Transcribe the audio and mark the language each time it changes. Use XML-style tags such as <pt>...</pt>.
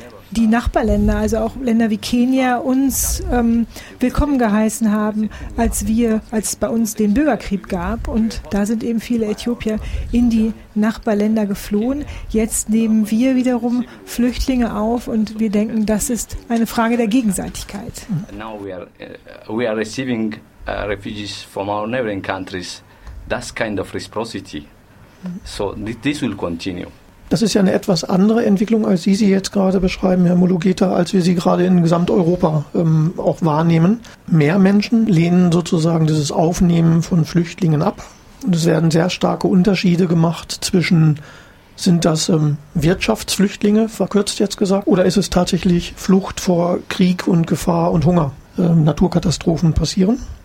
<de>die Nachbarländer, also auch Länder wie Kenia, uns willkommen geheißen haben, als es bei uns den Bürgerkrieg gab. Und da sind eben viele Äthiopier in die Nachbarländer geflohen. Jetzt nehmen wir wiederum Flüchtlinge auf und wir denken, das ist eine Frage der Gegenseitigkeit.</de> <en>Now we are receiving refugees from our neighboring countries. That kind of reciprocity. So this will continue.</en> <de>Das ist ja eine etwas andere Entwicklung, als Sie sie jetzt gerade beschreiben, Herr Mulugeta, als wir sie gerade in Gesamteuropa auch wahrnehmen. Mehr Menschen lehnen sozusagen dieses Aufnehmen von Flüchtlingen ab. Und es werden sehr starke Unterschiede gemacht zwischen, sind das Wirtschaftsflüchtlinge, verkürzt jetzt gesagt, oder ist es tatsächlich Flucht vor Krieg und Gefahr und Hunger, Naturkatastrophen passieren?</de>